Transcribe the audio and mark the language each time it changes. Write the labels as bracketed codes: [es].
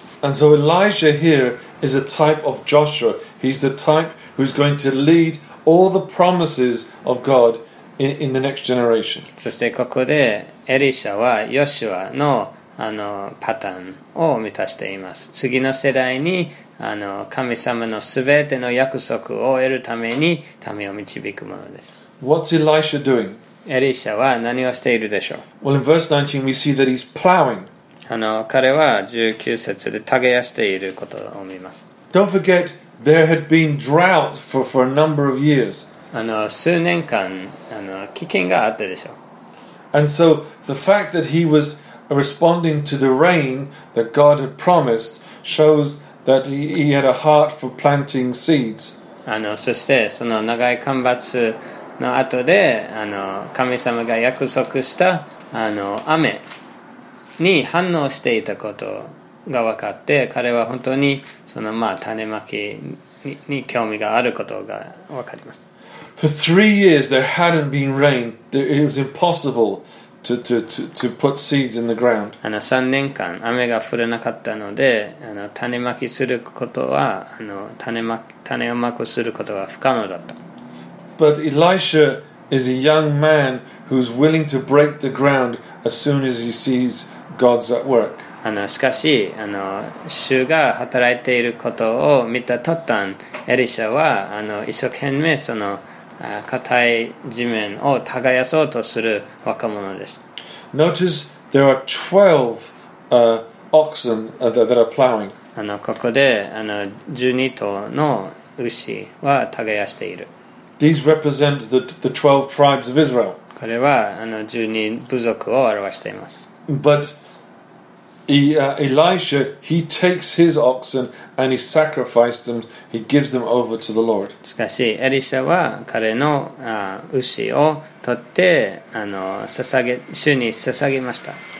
[en] And so Elijah here is a type of Joshua. He's the type who's going to lead all the promises of God in the next generation. [ja] そしてここでエリシャはヨシュアの、あのパターンを満たしています。次の世代にあの神様のすべての約束を得るために民を導くものです。 [en] What's Elisha doing? [ja] エリシャは何をしているでしょう。 [en] Well, in verse 19, we see that he's plowing. [ja] あの彼は19節で耕していることを見ます。 [en] Don't forget, there had been drought for a number of years. [ja] あの数年間あの危険があったでしょう。 [en] And so the fact that he was responding to the rain that God had promised shows that he had a heart for planting seeds. [ja] あのそしてその長い干ばつの後で、あの神様が約束したあの雨に反応していたことが分かって、彼は本当にそのまあ種まき に興味があることが分かります。 [en] For 3 years there hadn't been rain. It was impossible to put seeds in the ground. [ja] 3年間雨が降らなかったので、種まきすることは、種をまくすることは不可能だった。 [en] But Elisha is a young man who's willing to break the ground as soon as he sees God's at work. [ja] しかし、主が働いていることを見た途端、エリシャは、一生懸命その硬い地面を耕そうとする若者です。 [en] Notice there are 12 oxen that are plowing. [ja] ここで12頭の牛は耕している。 [en] These represent the 12 tribes of Israel. [ja] これは12部族を表しています。 [en] But Elisha, he takes his oxen and he sacrifices them. He gives them over to the Lord. [ja] しかし、エリシャは彼の牛を取って主に捧げました。